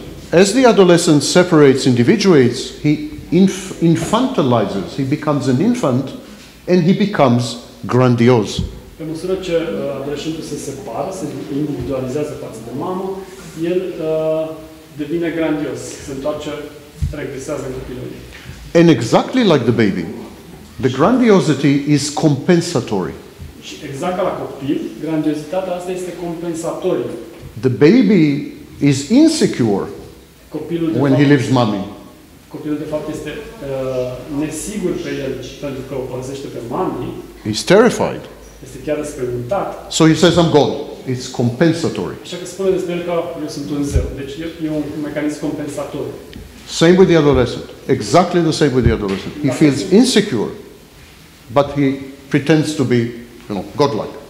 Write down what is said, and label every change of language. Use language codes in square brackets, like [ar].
[en] As the adolescent separates, individuates, he infantilizes, he becomes an infant, and he becomes grandiose. [ro] Pe măsură ce adolescentul se separă, se individualizează față de mamă, el devine grandios, se întoarce, regresează în copilărie. [en] And exactly like the baby, the grandiosity is compensatory. [ro] Și exact ca la copil, grandiozitatea asta este compensatorie. [en] The baby is insecure when he leaves mommy. [ro] Copilul de fapt este nesigur pe el pentru că o părăsește pe mami. [en] He's terrified. [ro] Este chiar înspăimântat. [en] So he says I'm God. It's compensatory. [ro] Așa că spune despre el că eu sunt un zeu. Deci e un mecanism compensator. [en] Same with the adolescent. Exactly the same with the adolescent. He feels insecure, but he pretends to be, you know, godlike.